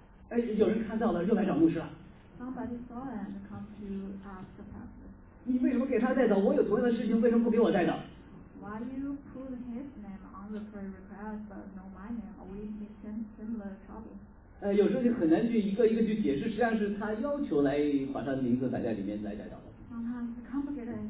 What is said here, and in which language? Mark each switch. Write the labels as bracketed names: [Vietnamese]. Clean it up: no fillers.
[Chinese] 哎，有人看到了，又来找牧师了。 [English] Somebody saw and come to ask the pastor. [Chinese] 你为什么给他代祷？我有同样的事情，为什么不给我代祷 [English] ？Why you put his name on the prayer request but no my name? We have similar trouble. [Chinese] 有时候就很难去一个一个去解释，实际上是他要求来把他的名字摆在里面来代祷的。